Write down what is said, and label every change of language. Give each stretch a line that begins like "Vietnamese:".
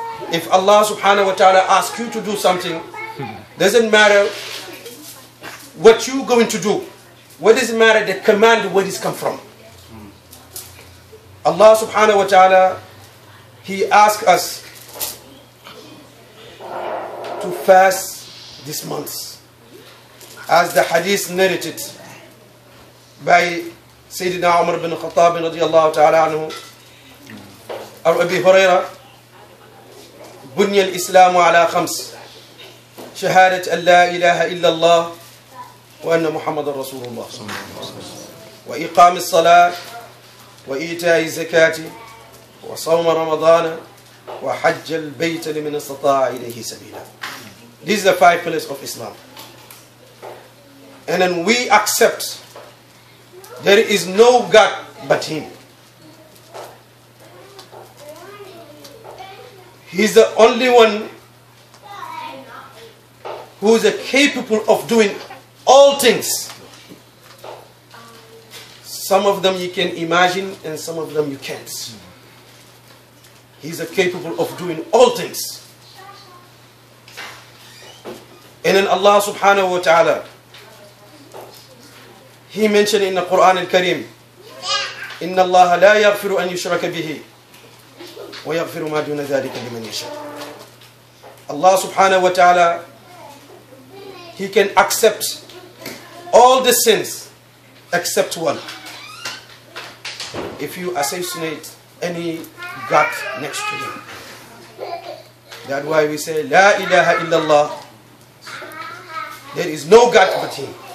English: If Allah subhanahu wa ta'ala asks you to do something, doesn't matter what you're going to do. What does it matter? The command, where this come from? Allah subhanahu wa ta'ala, He asked us to fast this month. As the hadith narrated by Sayyidina Umar ibn Khattab radiallahu ta'ala anhu, or Abi Huraira,
Arabic: بني الإسلام على خمس شهادة أن لا إله إلا الله وأن محمد رسول الله وإقام الصلاة وإيتاء الزكاة وصوم رمضان وحج البيت لمن استطاع إليه سبيلا.
English: These are the five pillars of Islam. And then we accept there is no God but Him. He's the only one who is capable of doing all things. Some of them you can imagine and some of them you can't. He's capable of doing all things. And then Allah subhanahu wa ta'ala, He mentioned in the Quran al-Karim,
Arabic: إِنَّ اللَّهَ لَا يَغْفِرُ أَن يُشْرَكَ بِهِ وَيَغْفِرُ مَا دُونَ ذَلِكَ لِمَنْ يَشَاءُ.
English: Allah subhanahu wa ta'ala, He can accept all the sins except one. If you assassinate any God next to Him. That's why we say,
Arabic: لا إله إلا الله.
English: There is no God but Him.